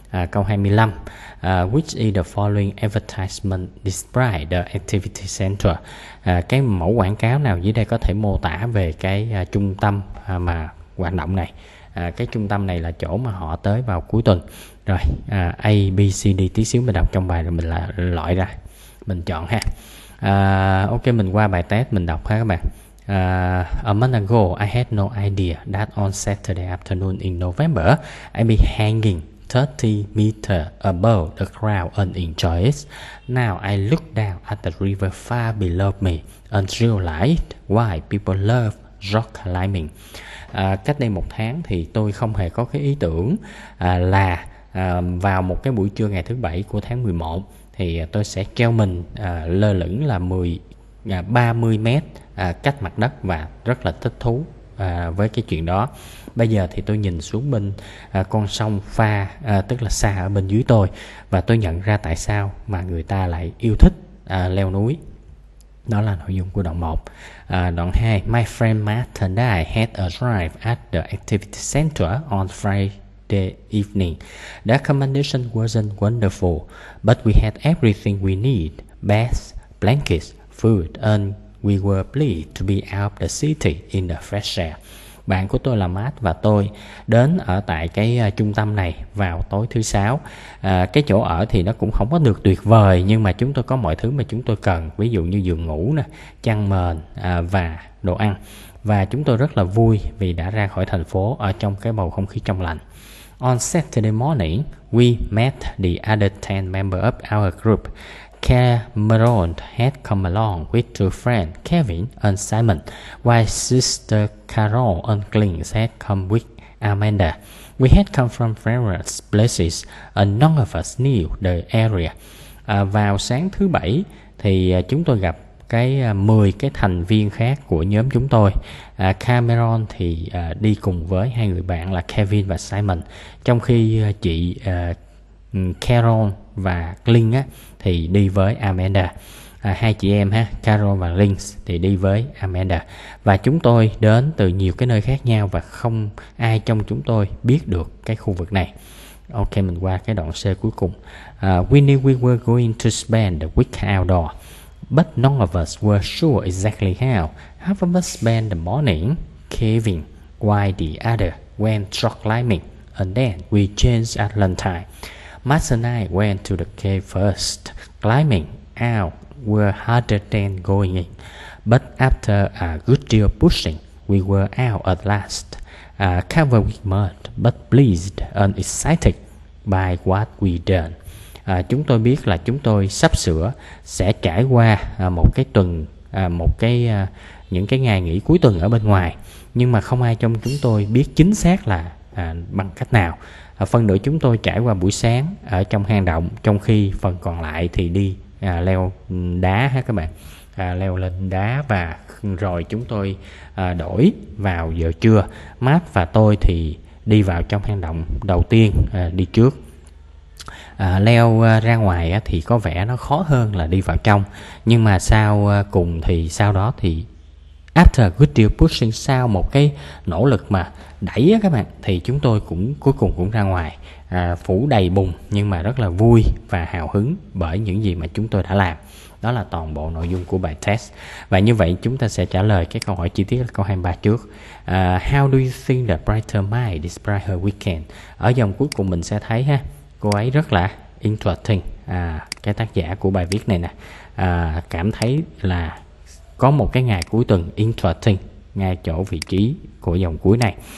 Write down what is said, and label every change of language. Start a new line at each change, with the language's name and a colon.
Vietnamese: Câu 25,
English: which is the following advertisement describe the activity center,
Vietnamese: cái mẫu quảng cáo nào dưới đây có thể mô tả về cái trung tâm mà hoạt động này. Cái trung tâm này là chỗ mà họ tới vào cuối tuần. Rồi, A, B, C, D, tí xíu mình đọc trong bài rồi mình là loại ra, mình chọn ha. Ok, mình qua bài test mình đọc ha các bạn.
English: A month ago, I had no idea that on Saturday afternoon in November, I'd be hanging 30 meters above the crowd and enjoy it. Now I look down at the river far below me and realize why people love rock climbing.
Vietnamese: Cách đây một tháng thì tôi không hề có cái ý tưởng là vào một cái buổi trưa ngày thứ bảy của tháng 11 thì tôi sẽ treo mình lơ lửng là 30 mét cách mặt đất và rất là thích thú với cái chuyện đó. Bây giờ thì tôi nhìn xuống bên con sông pha, tức là xa ở bên dưới tôi, và tôi nhận ra tại sao mà người ta lại yêu thích leo núi. Đó là nội dung của đoạn 1. Đoạn 2,
English: my friend Matt and I had a drive at the activity center on Friday evening. The accommodation wasn't wonderful, but we had everything we need, beds, blankets, food, and we were pleased to be out of the city in the fresh air.
Vietnamese: Bạn của tôi là Matt và tôi đến ở tại cái trung tâm này vào tối thứ sáu. Cái chỗ ở thì nó cũng không có được tuyệt vời, nhưng mà chúng tôi có mọi thứ mà chúng tôi cần, ví dụ như giường ngủ nè, chăn mền và đồ ăn. Và chúng tôi rất là vui vì đã ra khỏi thành phố ở trong cái bầu không khí trong lành.
English: On Saturday morning, we met the other 10 members of our group. Cameron had come along with two friends, Kevin and Simon, while sister Carol and Clint had come with Amanda. We had come from various places and none of us knew the area.
Vietnamese: Vào sáng thứ bảy thì chúng tôi gặp cái 10 cái thành viên khác của nhóm chúng tôi. Cameron thì đi cùng với hai người bạn là Kevin và Simon, trong khi chị Carol và Clint á thì đi với Amanda. Hai chị em ha, Carol và Lynx thì đi với Amanda. Và chúng tôi đến từ nhiều cái nơi khác nhau và không ai trong chúng tôi biết được cái khu vực này. Ok, mình qua cái đoạn C cuối cùng.
English: Winnie, we were going to spend the week outdoor, but none of us were sure exactly how. Half of us spent the morning caving, while the other went rock climbing, and then we changed at lunchtime. Max and I went to the cave first. Climbing out were harder than going in, but after a good deal of pushing, we were out at last. Covered with mud, but pleased and excited by what we done.
Vietnamese: Chúng tôi biết là chúng tôi sắp sửa sẽ trải qua một cái tuần, một cái những cái ngày nghỉ cuối tuần ở bên ngoài, nhưng mà không ai trong chúng tôi biết chính xác là bằng cách nào. Phần nửa chúng tôi trải qua buổi sáng ở trong hang động, trong khi phần còn lại thì đi leo đá ha các bạn, leo lên đá, và rồi chúng tôi đổi vào giờ trưa. Matt và tôi thì đi vào trong hang động đầu tiên, đi trước. Leo ra ngoài thì có vẻ nó khó hơn là đi vào trong, nhưng mà sau cùng thì sau đó thì
English: after good deal pushing,
Vietnamese: sau một cái nỗ lực mà đẩy các bạn, thì chúng tôi cũng cuối cùng cũng ra ngoài, phủ đầy bùn, nhưng mà rất là vui và hào hứng bởi những gì mà chúng tôi đã làm. Đó là toàn bộ nội dung của bài test. Và như vậy chúng ta sẽ trả lời cái câu hỏi chi tiết là câu 23 trước.
English: How do you think the brighter mind describes her weekend?
Vietnamese: Ở dòng cuối cùng mình sẽ thấy ha, cô ấy rất là interesting. Cái tác giả của bài viết này nè, cảm thấy là có một cái ngày cuối tuần interesting ngay chỗ vị trí của dòng cuối này.